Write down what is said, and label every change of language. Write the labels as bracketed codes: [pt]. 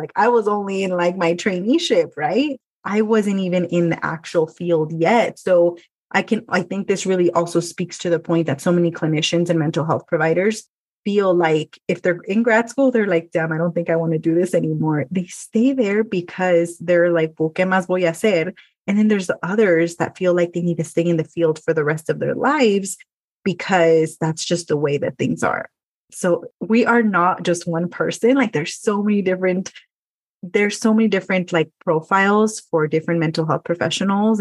[en] I was only in like my traineeship, right? I wasn't even in the actual field yet. So I think this really also speaks to the point that so many clinicians and mental health providers feel like if they're in grad school, they're like, damn, I don't think I want to do this anymore. They stay there because they're like, [es] ¿qué más voy a hacer? [en] And then there's the others that feel like they need to stay in the field for the rest of their lives, because that's just the way that things are. So we are not just one person. Like, there's so many different like profiles for different mental health professionals.